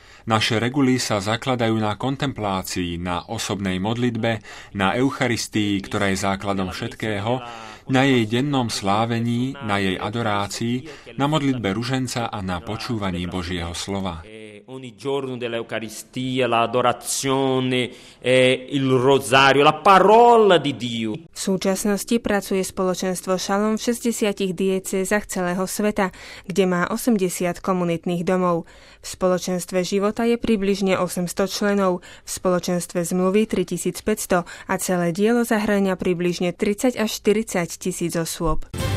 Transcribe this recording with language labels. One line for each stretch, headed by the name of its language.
Slovak: Naše reguly sa zakladajú na kontemplácii, na osobnej modlitbe, na Eucharistii, ktorá je základom všetkého, na jej dennom slávení, na jej adorácii, na modlitbe ruženca a na počúvaní Božieho slova.
Italian: Ogni giorno dell'Eucaristia, l'adorazione, il rosario, la parola di Dio.
Slovak: V súčasnosti pracuje spoločenstvo Šalom v 60 diecézach celého sveta, kde má 80 komunitných domov. V spoločenstve života je približne 800 členov, v spoločenstve zmluvy 3500 a celé dielo zahŕňa približne 30 až 40 tisíc osôb.